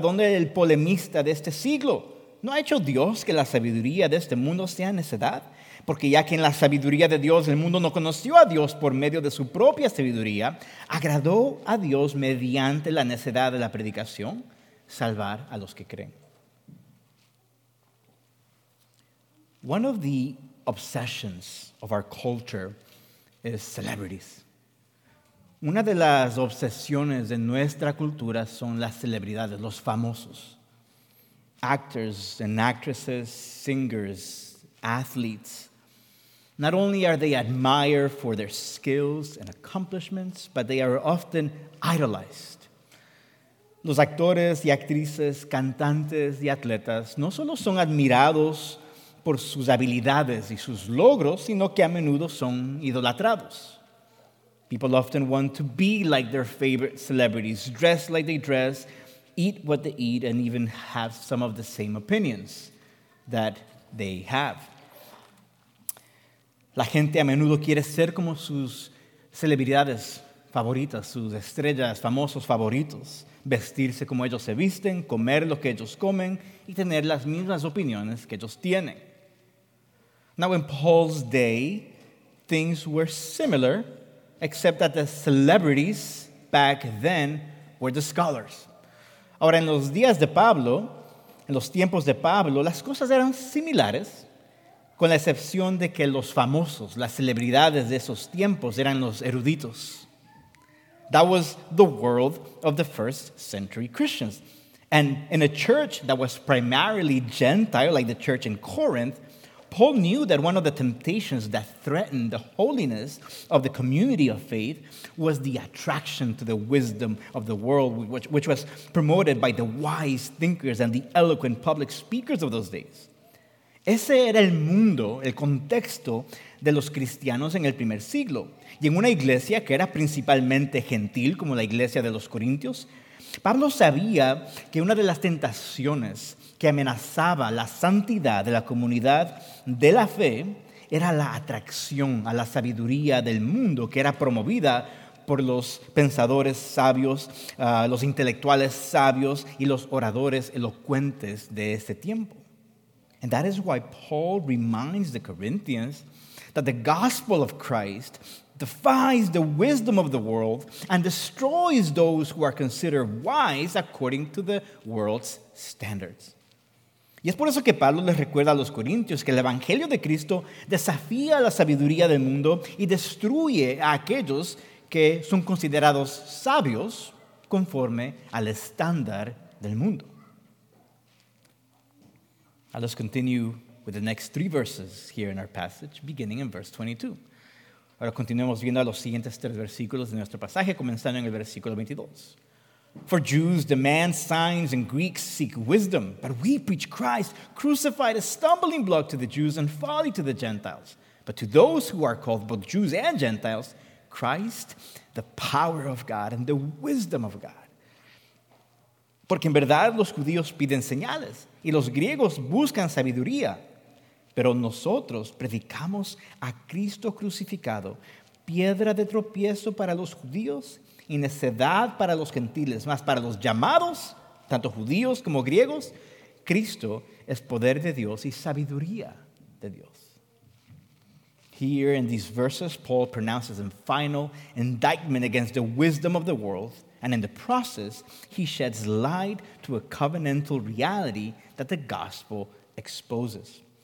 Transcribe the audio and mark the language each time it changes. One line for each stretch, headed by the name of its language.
Spanish: ¿Dónde el polemista de este siglo? ¿No ha hecho Dios que la sabiduría de este mundo sea necedad? Porque ya que en la sabiduría de Dios el mundo no conoció a Dios por medio de su propia sabiduría, agradó a Dios mediante la necedad de la predicación salvar a los que creen.
English: One of the obsessions of our culture is celebrities.
Spanish: Una de las obsesiones de nuestra cultura son las celebridades, los famosos.
English: Actors and actresses, singers, athletes. Not only are they admired for their skills and accomplishments, but they are often idolized.
Spanish: Los actores y actrices, cantantes y atletas no solo son admirados por sus habilidades y sus logros, sino que a menudo son idolatrados.
English: People often want to be like their favorite celebrities, dress like they dress, eat what they eat, and even have some of the same opinions that they have.
Spanish: La gente a menudo quiere ser como sus celebridades favoritas, sus estrellas, famosos favoritos, vestirse como ellos se visten, comer lo que ellos comen, y tener las mismas opiniones que ellos tienen.
English: Now, in Paul's day, things were similar, except that the celebrities back then were the scholars.
Spanish: Ahora, en los días de Pablo, en los tiempos de Pablo, las cosas eran similares, con la excepción de que los famosos, las celebridades de esos tiempos, eran los eruditos.
English: That was the world of the first century Christians. And in a church that was primarily Gentile, like the church in Corinth, Paul knew that one of the temptations that threatened the holiness of the community of faith was the attraction to the wisdom of the world, which was promoted by the wise thinkers and the eloquent public speakers of those days.
Spanish: Ese era el mundo, el contexto de los cristianos en el primer siglo. Y en una iglesia que era principalmente gentil, como la iglesia de los Corintios, Pablo sabía que una de las tentaciones que amenazaba la santidad de la comunidad de la fe era la atracción a la sabiduría del mundo que era promovida por los pensadores sabios, los intelectuales sabios y los oradores elocuentes de ese tiempo.
English: And that is why Paul reminds the Corinthians that the gospel of Christ defies the wisdom of the world and destroys those who are considered wise according to the world's standards.
Spanish: Y es por eso que Pablo les recuerda a los corintios que el evangelio de Cristo desafía la sabiduría del mundo y destruye a aquellos que son considerados sabios conforme al estándar del mundo.
English: Now let's continue with the next three verses here in our passage, beginning in verse 22.
Spanish: Ahora continuemos viendo a los siguientes tres versículos de nuestro pasaje, comenzando en el versículo 22.
English: For Jews demand signs and Greeks seek wisdom, but we preach Christ crucified, a stumbling block to the Jews and folly to the Gentiles. But to those who are called both Jews and Gentiles, Christ, the power of God and the wisdom of God.
Spanish: Porque en verdad los judíos piden señales y los griegos buscan sabiduría. Pero nosotros predicamos a Cristo crucificado, piedra de tropiezo para los judíos y necedad para los gentiles. Más para los llamados, tanto judíos como griegos, Cristo es poder de Dios y sabiduría de Dios.
English: Here in these verses, Paul pronounces a final indictment against the wisdom of the world, and in the process, he sheds light to a covenantal reality that the gospel exposes.